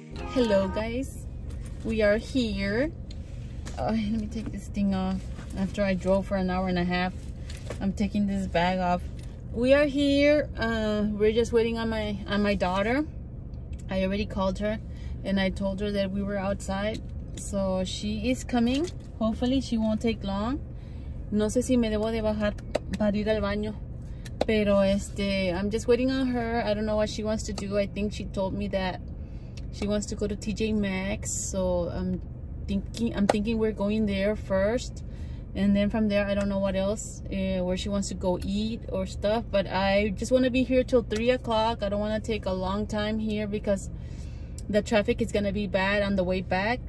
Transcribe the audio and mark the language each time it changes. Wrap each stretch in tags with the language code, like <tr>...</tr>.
<en>Hello, guys. We are here. Oh, let me take this thing off. After I drove for an hour and a half, I'm taking this bag off. We are here. We're just waiting on my daughter. I already called her, and I told her that we were outside. So she is coming. Hopefully, she won't take long.</en> <es>No sé si me debo de bajar para ir al baño. Pero</es> <en>I'm just waiting on her. I don't know what she wants to do. I think she told me that she wants to go to TJ Maxx, so I'm thinking we're going there first, and then from there I don't know what else, where she wants to go eat or stuff. But I just want to be here till 3 o'clock. I don't want to take a long time here because the traffic is gonna be bad on the way back.</en>